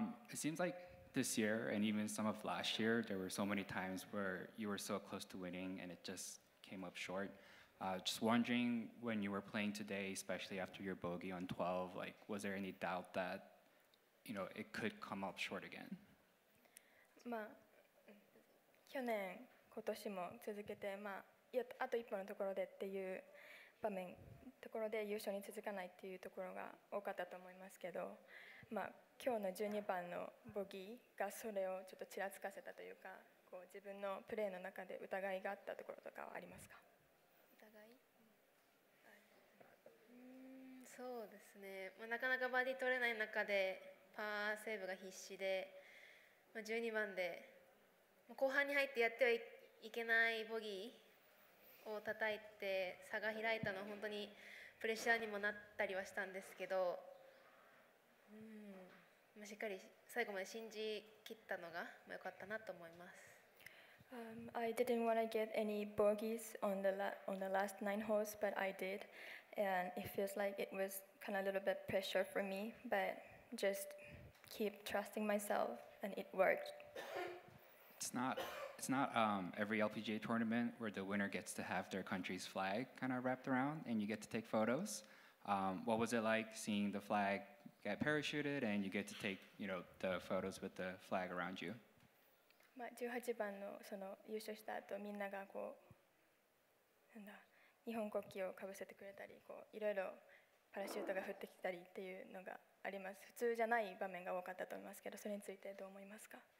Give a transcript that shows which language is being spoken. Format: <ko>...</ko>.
<en>It seems like this year and even some of last year, there were so many times where you were so close to winning and it just came up short. Just wondering, when you were playing today, especially after your bogey on 12, like, was there any doubt that, you know, it could come up short again?</en> <ja>まあ、去年、今年も続けて、まあ、あと一歩のところでっていう場面、ところで優勝に続かないっていうところが多かったと思いますけど、まあ、今日の12番のボギーがそれをちょっとちらつかせたというか、こうこう自分のプレーの中で疑いがあったところとかはありますか？疑い？そうですね、まあ、なかなかバーディー取れない中でパーセーブが必死で、まあ、12番で後半に入ってやってはいけないボギーを叩いて差が開いたのは本当にプレッシャーにもなったりはしたんですけど、しっかり最後まで信じ切ったのが良かったなと思います。</ja> <en>I didn't want to get any bogeys on the last nine holes, but I did. And it feels like it was kind of a little bit pressure for me, but just keep trusting myself and it worked. It's not every LPGA tournament where the winner gets to have their country's flag kind of wrapped around and you get to take photos. What was it like seeing the flag get parachuted and you get to take, you know, the photos with the flag around you?</en> <ja>まあ、18番 の, その優勝した後みんながこうなんだ日本国旗をかぶせてくれたりいろいろパラシュートが降ってきたりっていうのがあります。普通じゃない場面が多かったと思いますけど、それについてどう思いますか？</ja>